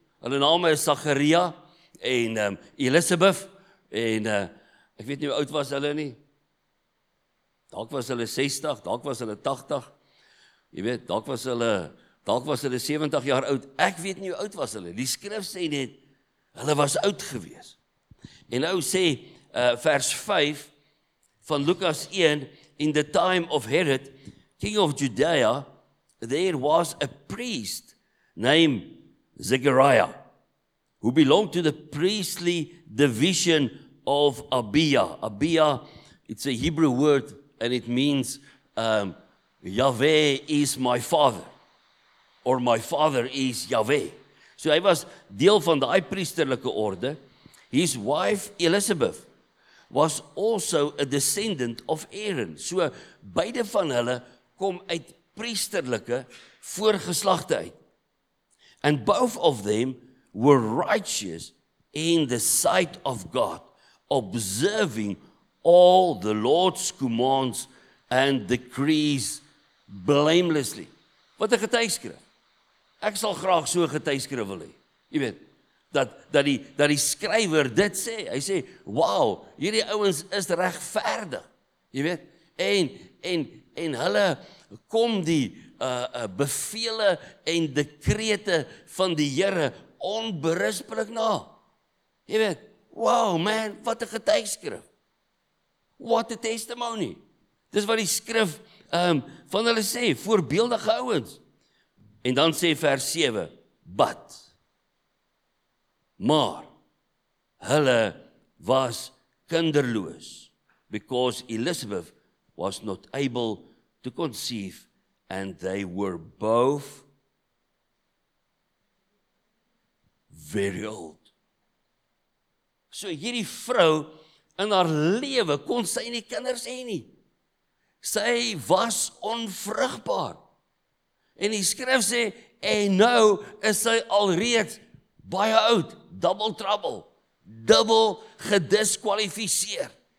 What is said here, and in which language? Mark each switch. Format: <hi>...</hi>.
<af>Hulle name is Zacharia en Elisabeth, en ek weet nie hoe oud was hulle nie. Dalk was hulle 60, dalk was hulle 80. Jy weet, dalk was hulle 70 jaar oud. Ek weet nie hoe oud was hulle. Die skrif sê net, hulle was oud gewees. En nou sê vers 5 van Lukas 1,</af> <en>in the time of Herod, king of Judea, there was a priest named Zechariah, who belonged to the priestly division of Abia. Abia, it's a Hebrew word, and it means Yahweh is my father, or my father is Yahweh.</en> <af>So hy was deel van die priesterlike orde.</af> <en>His wife Elizabeth was also a descendant of Aaron.</en> <af>So beide van hulle kom uit priesterlike voorgeslagte uit.</af> <en>And both of them were righteous in the sight of God, observing all the Lord's commands and decrees blamelessly.</en> <af>Wat 'n getuigskrif. Ek sal graag so 'n getuigskrif wil hê. Jy weet, dat die skrywer dit sê. Hy sê, wow, hierdie ouens is regverdig. Jy weet, en hulle kom die bevele en dekrete van die Here onberispelik na. Jy weet, wow man, wat 'n getuigskrif.</af> <en>What a testimony.</en> <af>Dis wat die skrif van hulle sê, voorbeeldige ouens. En dan sê vers 7, maar hulle was kinderloos,</af> <en>because Elizabeth was not able to conceive, and they were both very old.</en> <af>So hierdie vrou in haar lewe kon sy nie kinders hê nie. Sy was onvrugbaar. En die skrif sê, en nou is sy alreeds baie oud,</af> <en>double trouble,</en> <af>dubbel gediskwalifiseer.</af>